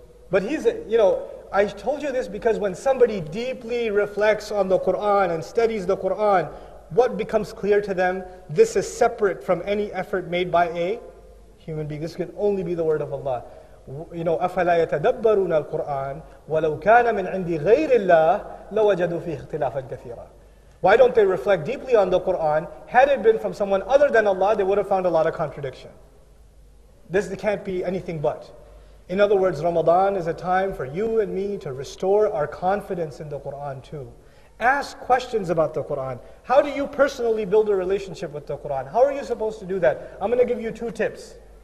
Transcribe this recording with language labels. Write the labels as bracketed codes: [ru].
[en] But I told you this because when somebody deeply reflects on the Quran and studies the Quran, what becomes clear to them, this is separate from any effort made by a human being. This can only be the word of Allah. [ar] أَفَلَا يَتَدَبَّرُونَ الْقُرْآنَ وَلَوْ كَانَ مِنْ عِنْدِ غَيْرِ اللَّهِ لَوَجَدُوا فِيهِ اخْتِلَافًا كَثِيرًا [en] Why don't they reflect deeply on the Quran? Had it been from someone other than Allah, they would have found a lot of contradiction. This can't be anything but. In other words, Ramadan is a time for you and me to restore our confidence in the Quran too. Ask questions about the Quran. How do you personally build a relationship with the Quran? How are you supposed to do that? I'm going to give you two tips.